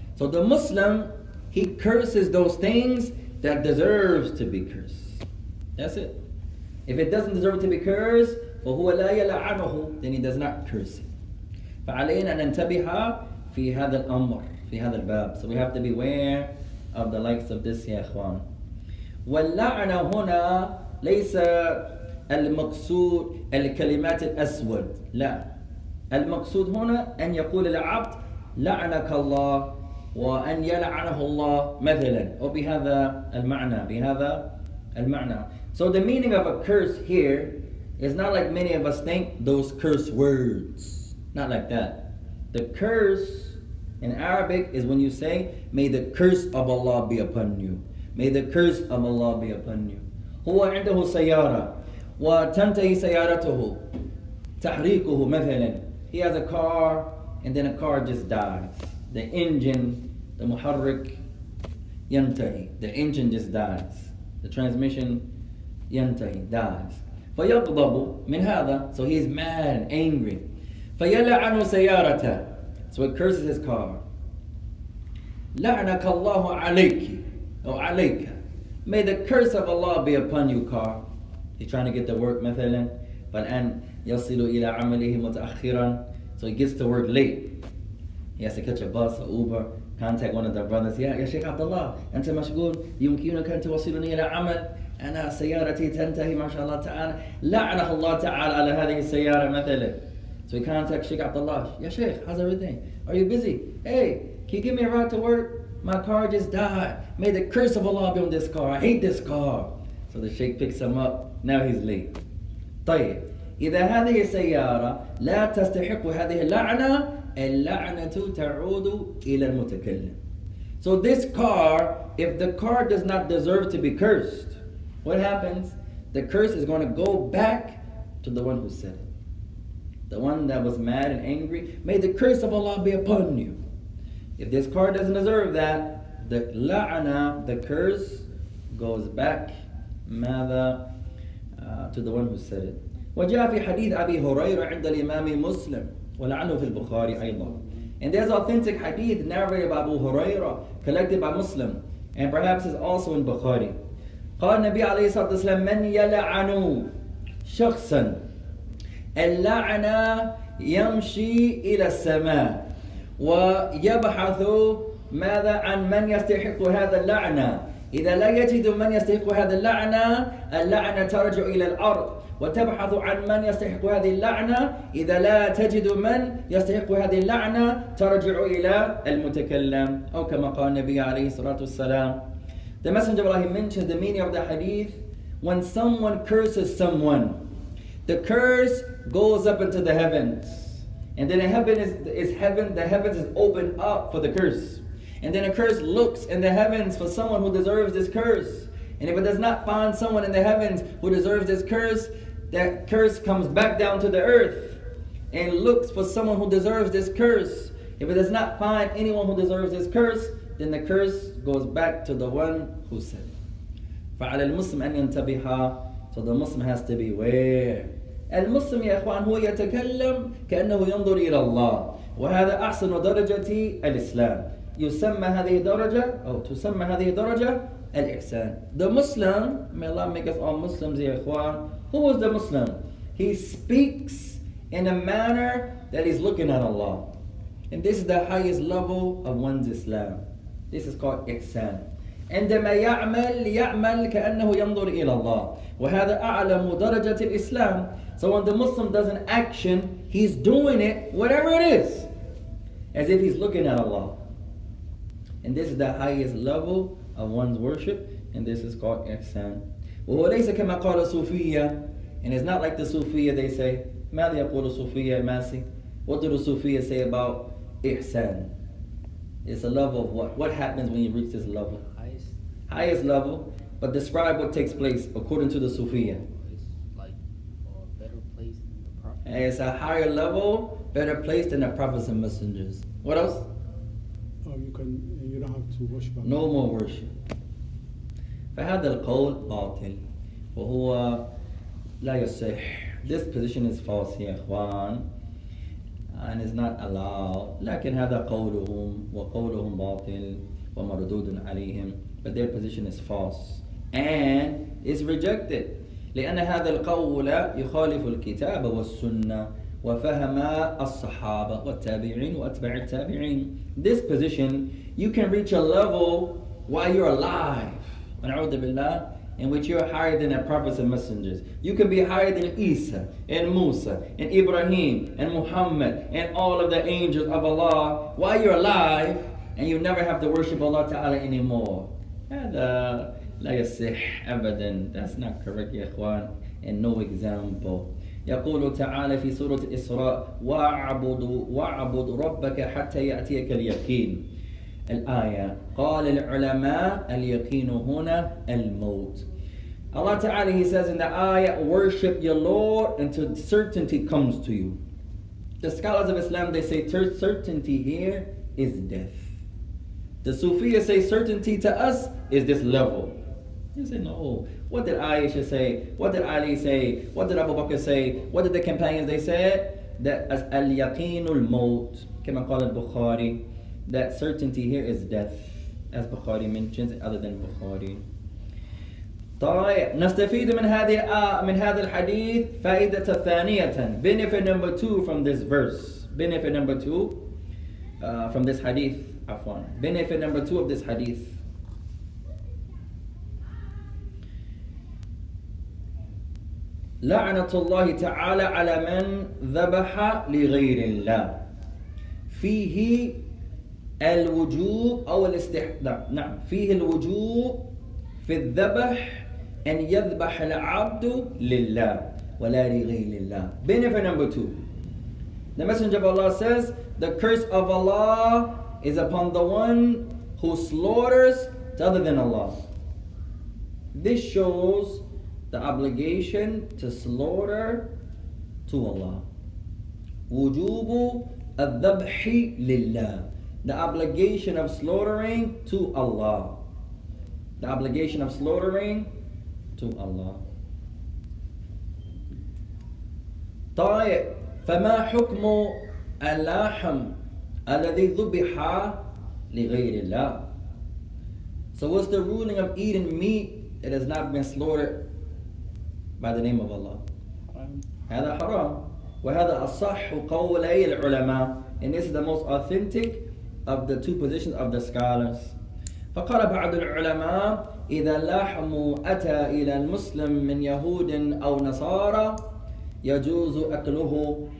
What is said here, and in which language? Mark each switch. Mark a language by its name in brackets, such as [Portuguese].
[English] So the Muslim, he curses those things that deserves to be cursed. That's it. If it doesn't deserve to be cursed, [Arabic] فَهُوَ لَا يَلَعَنُهُ, [English] then he does not curse it. [Arabic] فَعَلَيْنَا نَنْتَبِهَا فِي هَذَا الْأَمْرِ فِي هَذَا الْبَابِ. [English] So we have to beware of the likes of this, ya ikhwan. [Arabic] وَاللَّعْنَ هُنَا لَيْسَ المقصود الكلمات الأسود. لا, المقصود هنا أن يقول العبد لعنك الله وأن يلعنه الله مثلا أو بهذا المعنى. بهذا المعنى. [English] So the meaning of a curse here is not like many of us think, those curse words. Not like that. The curse in Arabic is when you say, may the curse of Allah be upon you. May the curse of Allah be upon you. [Arabic] هو عنده سيارة وتنتهي سيارته تحريكه مثلا. [English] He has a car and then a car just dies. The engine, the [Arabic] محرك ينتهي. [English] The engine just dies. The transmission [Arabic] ينتهي, [English] dies. [Arabic] فيغضب من هذا. [English] So he's mad and angry. [Arabic] فيلعن سيارته. [English] So it curses his car. [Arabic] لعنك الله عليك أو عليك. [English] May the curse of Allah be upon you, car. He's trying to get to work, [Arabic] مثلا. فالآن يصل إلى عمله متأخرا. [English] So he gets to work late. He has to catch a bus, an Uber, contact one of the brothers. [Arabic] Yeah, يا شيخ عبد الله, أنت مشغول, يمكنك أن توصلني إلى عمل. أنا سيارتي تنتهي ما شاء الله تعالى. لعن الله تعالى على هذه السيارة مثلا. [English] So he contacts Sheikh Abdullah. [Arabic] يا شيخ, [English] how's everything? Are you busy? Hey, can you give me a ride to work? My car just died. May the curse of Allah be on this car. I hate this car. So the Sheikh picks him up. Now he's late. [Arabic] طيب, إذا هذه السيارة لا تستحق هذه اللعنة, اللعنة تعود إلى المتكلم. [English] So this car, if the car does not deserve to be cursed, what happens? The curse is going to go back to the one who said it. The one that was mad and angry. May the curse of Allah be upon you. If this car doesn't deserve that, the la'ana, the curse, goes back to the one who said it. [Arabic] وَجَاءَ فِي حَدِيثِ أَبِي هُرَيْرَ عِنْدَ الْإِمَامِ مُسْلِمٍ وَلَعَنُهُ فِي الْبُخَارِ أَيْضًا. [English] And there's authentic hadith narrated by Abu Huraira, collected by Muslim, and perhaps is also in Bukhari. [Arabic] قال النبي عليه الصلاة والسلام من يلعن شخصا اللعنة يمشي إلى السماء ويبحث ماذا عن من يستحق هذا اللعنة. إذا لا يجد من يستحق هذا اللعنة, اللعنة ترجع إلى الأرض وتبحث عن من يستحق هذه اللعنة. إذا لا تجد من يستحق هذه اللعنة, ترجع إلى المتكلم. أو كما قال النبي عليه الصلاة والسلام. [English] The Messenger of Allah mentions the meaning of the hadith. When someone curses someone, the curse goes up into the heavens. And then the heavens is opened up for the curse. And then a curse looks in the heavens for someone who deserves this curse. And if it does not find someone in the heavens who deserves this curse, that curse comes back down to the earth and looks for someone who deserves this curse. If it does not find anyone who deserves this curse, then the curse goes back to the one who said it. [Arabic] فعلى المسلم أن ينتبه. [English] So the Muslim has to beware. [Arabic] المسلم يا إخوان هو يتكلم كأنه ينظر إلى الله. وهذا أحسن درجة الإسلام. يسمى هذه درجة أو تسمى هذه درجة الإحسان. [English] The Muslim, may Allah make us all Muslims, [Arabic] يا إخوان. [English] Who is the Muslim? He speaks in a manner that he's looking at Allah. And this is the highest level of one's Islam. This is called Ihsan. [Arabic] عندما يعمل يعمل كأنه ينظر إلى الله. وهذا أعلم درجة الإسلام. [English] So when the Muslim does an action, he's doing it, whatever it is, as if he's looking at Allah. And this is the highest level of one's worship, and this is called Ihsan. [Arabic] وهو ليس كما قال صوفية. [English] And it's not like the Sufiya, they say. [Arabic] ماذا يقول صوفية ماسي؟ [English] What do the Sufiya say about Ihsan? It's a level of what? What happens when you reach this level? Highest level. But describe what takes place according to the Sufiya. It's like a better place than the Prophet. It's a higher level, better place than the Prophets and Messengers. What else? You don't have to worship. No more worship. [Arabic] فهذا القول باطل. وهو لا يصح. [English] This position is false, [Arabic] يا إخوان. [English] And it's not allowed. [Arabic] لكن هذا قولهم وقولهم باطل ومردود عليهم. [English] But their position is false and is rejected. [Arabic] لأن هذا القول يخالف الكتاب والسنة وفهم الصحابة والتابعين وأتباع التابعين. [English] This position, you can reach a level while you're alive. [Arabic] ونعوذ بالله. [English] In which you are higher than the prophets and messengers. You can be higher than Isa and Musa and Ibrahim and Muhammad and all of the angels of Allah while you're alive and you never have to worship Allah Ta'ala anymore. [Arabic] هذا لا يصح أبدا. [English] That's not correct, [Arabic] يا إخوان. [English] And no example. [Arabic] يقول تعالى في سورة إسراء وَاعْبُدُ رَبَّكَ حَتَّى يَأْتِيَكَ الْيَقِينَ. الآية قال العلماء اليقين هنا الموت. [English] Allah Ta'ala, he says in the ayah, worship your Lord until certainty comes to you. The scholars of Islam, they say certainty here is death. The Sufiya say certainty to us is this level. You say no. What did Aisha say? What did Ali say? What did Abu Bakr say? What did the companions, they said? That as [Arabic] اليقين الموت كما قال البخاري. [English] That certainty here is death, as Bukhari mentions, other than Bukhari. [Arabic] طيب نستفيد من هذه من هذا الحديث فائدة ثانية. [English] Benefit number two from this verse. Benefit number two from this hadith. Afwan. Benefit number two of this hadith. [Arabic] لعنة الله تعالى على من ذبح لغير الله فيه الوجوب أو الاستحباب. نعم فيه الوجوب في الذبح أن يذبح العبد لله ولا لغير الله. [English] Benefit number two. The Messenger of Allah says the curse of Allah is upon the one who slaughters to other than Allah. This shows the obligation to slaughter to Allah. [Arabic] وجوب الذبح لله. [English] The obligation of slaughtering to Allah. The obligation of slaughtering to Allah. [Arabic] طيب فما حكم اللحم الذي ذبح لغير الله. [English] So what's the ruling of eating meat that has not been slaughtered by the name of Allah? [Arabic] هذا حرام. وهذا أصح قولي العلماء. [English] And this is the most authentic of the two positions of the scholars. [Arabic] فقال بعض العلماء إذا لحم أتى إلى المسلم من يهود أو نصارى يجوز أكله.